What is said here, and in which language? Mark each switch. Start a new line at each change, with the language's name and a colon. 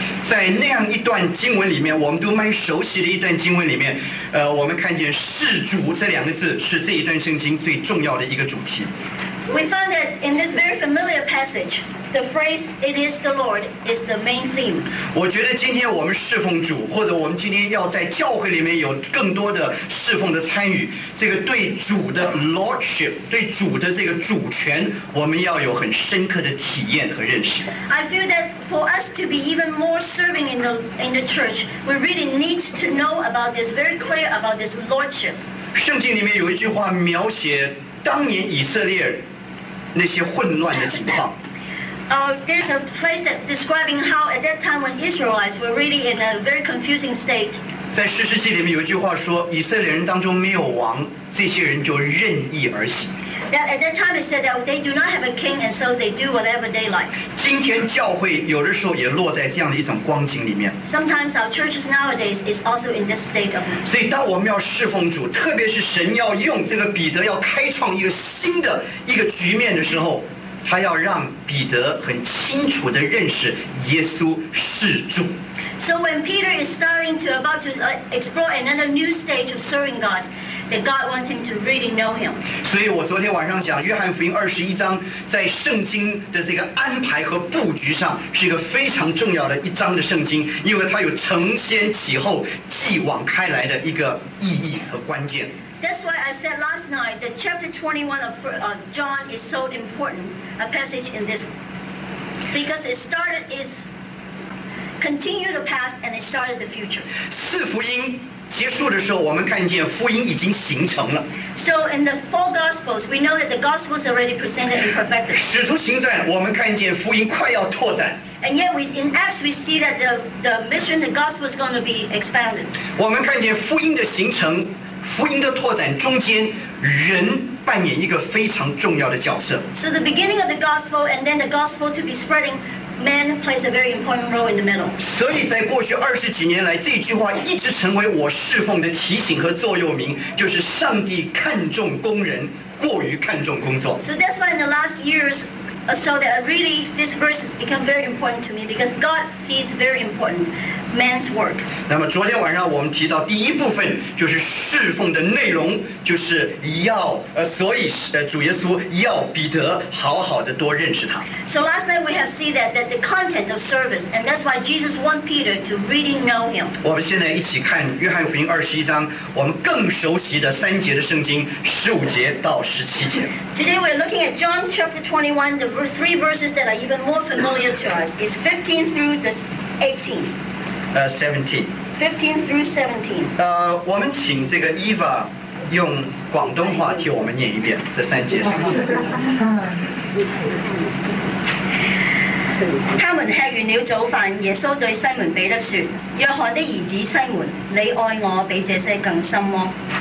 Chinese: 在那样一段经文里面，我们都蛮熟悉的一段经文里面，我们看见"侍主"这两个字是这一段圣经最重要的一个主题。
English: We found that in this very familiar passage, the phrase "It is the Lord" is the main theme.
Chinese: 我觉得今天我们侍奉主，或者我们今天要在教会里面有更多的侍奉的参与，这个对主的 lordship， 对主的这个主权，我们要有很深刻的体验和认识。
English: I feel that for us to be even more serving in the church, we really need to know about this very clear about this lordship.
Chinese: 圣经里面有一句话描写当年以色列那些混乱的情况。
English: There's a place that describing how at that time when Israelites were really in a very confusing state.
Chinese: 在诗诗记里面有一句话说，以色列人当中没有王，这些人就任意而行。
English: That at that time it said that they do not have a king, and so they do whatever they like.
Chinese: 今天教会有的时候也落在这样的一种光景里面。
English: Sometimes our churches nowadays is also in this state of.
Chinese: 所以当我们要侍奉主，特别是神要用这个彼得要开创一个新的一个局面的时候。他要让彼得很清楚地认识耶稣是主。
English: So when Peter is starting to about to explore another new stage of serving God, that God wants him to really know him.
Chinese: 所以我昨天晚上讲约翰福音二十一章在圣经的这个安排和布局上是一个非常重要的一章的圣经，因为它有承先启后、继往开来的一个意义和关键。
English: That's why I said last night that chapter 21 of John is so important, a passage in this, because it started, is continued the past and it started the future.
Chinese: 四福音结束的时候，我们看见福音已经形成了。
English: So in the four Gospels, we know that the Gospels already presented and perfected.
Chinese: 使徒行传，我们看见福音快要拓展。
English: And yet, in Acts, we see that the mission, the Gospel is going to be expanded.
Chinese: 我们看见福音的形成。福音的拓展中间，人扮演一个非常重要的角色。
English: So the beginning of the gospel, and then the gospel to be spreading, man plays a very important role in the middle.
Chinese: 所以在过去二十几年来，这句话一直成为我侍奉的提醒和座右铭，就是上帝看重工人，过于看重工作。
English: So that's why in the last years, so that really this verse has become very important to me because God sees very important. Man's work.
Chinese: 那么昨天晚上我们提到第一部分就是侍奉的内容，就是要所以主耶稣要彼得好好的多认识他。
English: So last night we have seen that the content of service, and that's why Jesus want Peter to really know him.
Chinese: 我们现在一起看约翰福音二十一章，我们更熟悉的三节的圣经，十五节到十七节。
English: Today we're looking at John chapter 21, the three verses that are even more familiar to us is 15 through the 18. 15 through 17.
Chinese: 我们请这个 Eva 用广东话替我们念一遍这三节圣经。他们吃完了早饭，耶稣对西门彼得说：约翰的儿子西门，你爱我比这些更深么？